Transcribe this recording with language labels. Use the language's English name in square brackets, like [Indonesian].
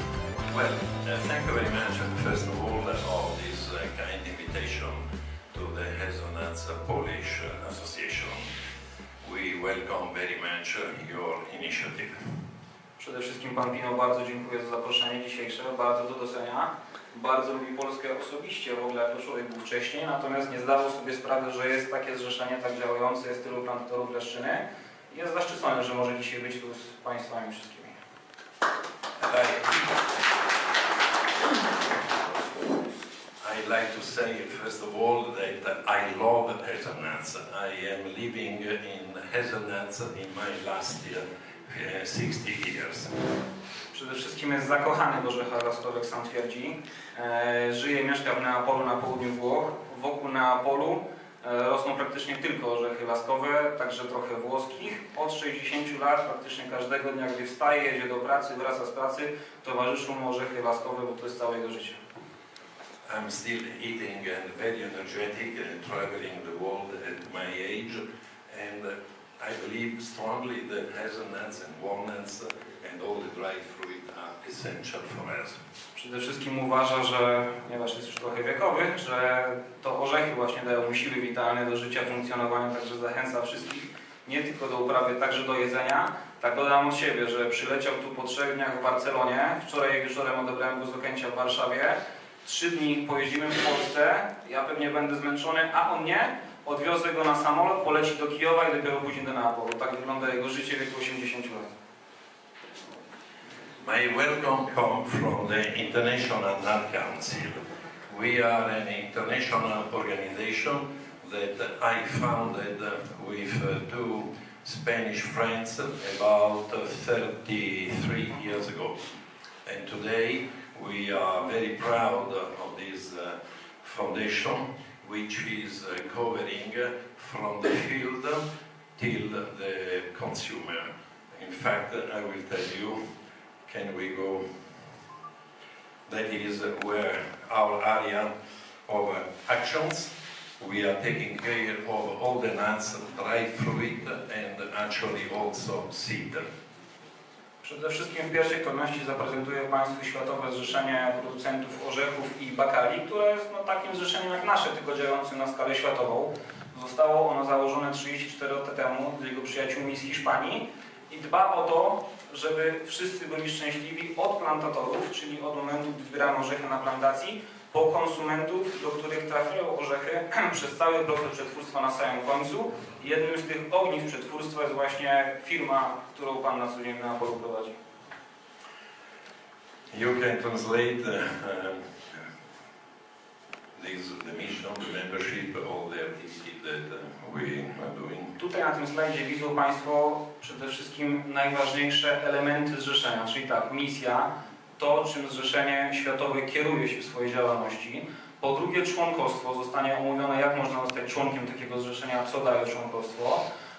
[English] Thank you very much, first of all, for this kind invitation to the Hazelnuts Polish Association. We welcome very much your initiative. [Polish] Przede wszystkim pan Pino, bardzo dziękuję za zaproszenie dzisiejsze, bardzo to docenia. Bardzo lubi Polskę osobiście, w ogóle jako człowiek był wcześniej, natomiast nie zdawał sobie sprawy, że jest takie zrzeszenie, tak działające, jest tylu plantatorów w Leszczynie. Jest zaszczycony, że może dzisiaj być tu z państwami wszystkimi. [English] I'd like to say, first of all, that I love hazelnuts. I am living in hazelnuts in my last year. 60 years. [Polish] Przede wszystkim jest zakochany w orzechach laskowych, sam twierdzi. Żyje, mieszka w Neapolu, na południu Włoch. Wokół Neapolu rosną praktycznie tylko orzechy laskowe, także trochę włoskich. Od 60 lat praktycznie każdego dnia, gdy wstaje, jedzie do pracy, wraca z pracy, towarzyszą mu orzechy laskowe, bo to jest całe jego życie. I'm still eating and very energetic and traveling the world at my age and I believe strongly that hazelnuts and walnuts and all the dried fruit are essential for us. Przede wszystkim uważa, że ponieważ jest już trochę wiekowy, że to orzechy właśnie dają mu siły witalne do życia, funkcjonowania, także zachęca wszystkich nie tylko do uprawy, także do jedzenia. Tak dodam od siebie, że przyleciał tu po 3 dniach w Barcelonie. Wczoraj wieczorem odebrałem go z Okęcia w Warszawie. 3 dni pojeździmy w Polsce. Ja pewnie będę zmęczony, a on nie. Odwiozę go na samolot, poleci do Kijowa i dopiero później do Neapolu. Tak wygląda jego życie, wieku 80 lat. [English] My welcome come from the International Nut Council. We are an international organization that I founded with two Spanish friends about 33 years ago. And today we are very proud of this foundation, which is covering from the field till the consumer. In fact, I will tell you, can we go? That is where our area of actions, we are taking care of all the nuts, dry fruit, and actually also seed. [Polish] Przede wszystkim w pierwszej kolejności zaprezentuję Państwu Światowe Zrzeszenie Producentów Orzechów i Bakali, które jest no, takim zrzeszeniem jak nasze, tylko działającym na skalę światową. Zostało ono założone 34 lata temu dla jego przyjaciółmi z Hiszpanii i dba o to, żeby wszyscy byli szczęśliwi od plantatorów, czyli od momentu, gdy wybieramy orzechy na plantacji, po konsumentów, do których trafiają orzechy przez cały proces przetwórstwa na samym końcu. Jednym z tych ogniw przetwórstwa jest właśnie firma, którą pan na co dzień na polu prowadzi. [English] You can translate this, the mission, the membership, all the activity that we are doing. [Polish] Tutaj na tym slajdzie widzą państwo przede wszystkim najważniejsze elementy zrzeszenia, czyli tak, misja, to, czym Zrzeszenie Światowe kieruje się w swojej działalności. Po drugie, członkostwo. Zostanie omówione, jak można zostać członkiem takiego zrzeszenia, co daje członkostwo.